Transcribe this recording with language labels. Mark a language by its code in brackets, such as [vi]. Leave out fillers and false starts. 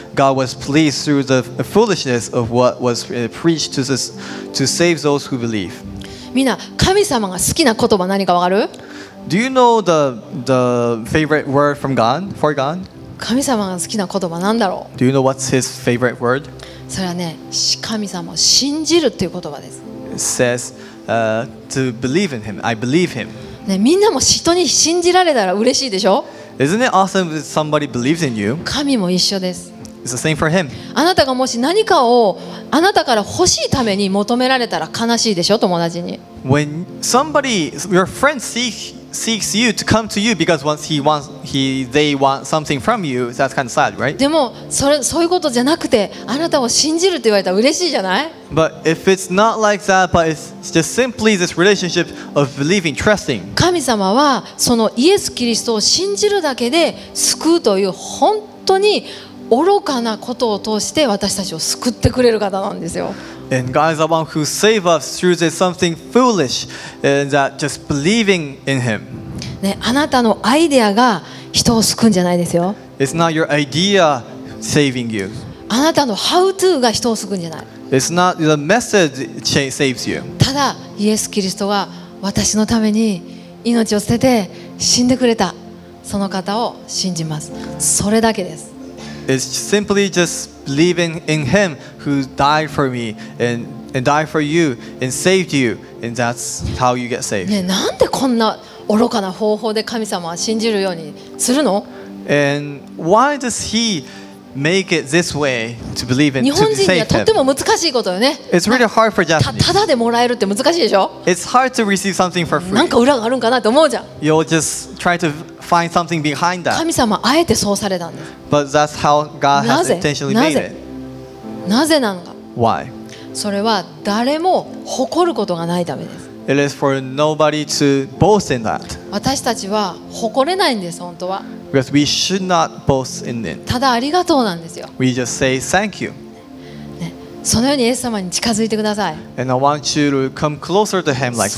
[en] God was pleased through the foolishness of what was preached to save those who believe. [ja] みんな神様が好きな言葉何かわかる？ [en] Do you know the favorite word from God for God? [ja] 神様が好きな言葉なんだろう？ [en] Do you know what's his favorite word? [ja] それはね、神様を信じるっていう言葉です。 [en] It says to believe in him. I believe him. [ja] ね、みんなも人に信じられたら嬉しいでしょ。 [en] Isn't it awesome that somebody believes in you? [ja] 神も一緒です。 [en] It's the same for him. [ja] あなたがもし何かをあなたから欲しいために求められたら悲しいでしょ、友達に。 [en] When somebody, your friend seeks you to come to you because once they want something from you, that's kind of sad, right? [ja] でもそういうことじゃなくて、あなたを信じるって言われたら嬉しいじゃない？ [en] But if it's not like that, but it's just simply this relationship of believing, trusting. [ja] 神様はそのイエス・キリストを信じるだけで救うという本当に愚かなことを通して私たちを救ってくれる方なんですよ。 [en] And God is the one who saves us through this something foolish, and that just believing in Him. [ja] ね、あなたのアイデアが人を救うんじゃないですよ。 [en] It's not your idea saving you. [ja] あなたの [en] how to [ja] が人を救うんじゃない。 [en] It's not the message saves you. [ja] ただイエス・キリストが私のために命を捨てて死んでくれたその方を信じます。それだけです。 [en] It's simply just believing in Him who died for me and died for you and saved you, and that's how you get saved. [ja] ね、なんでこんな愚かな方法で神様は信じるようにするの？ [en] And why does He make it this way to believe in to save [ja] 日本人にはとても難しいことよね。 [en] It's really hard for Japanese. [ja] ただでもらえるって難しいでしょ? [en] It's hard to receive something for free. [ja] なんか裏があるんかなって思うじゃん。 [en] You'll just try to find something behind that. [ja] 神様あえてそうされたんです。 [en] But that's how God has intentionally made it. [ja] なぜなんか? [en] Why? [ja] それは誰も誇ることがないためです。 [en] It is for nobody to boast in that. [ja] 私たちは誇れないんです、本当は。 [en] Because we should not boast in it. [ja] ただありがとうなんですよ。 [en] We just say thank you. [ja] そのようにイエス様に近づいてください。 [en] And I want you to come closer to him like that.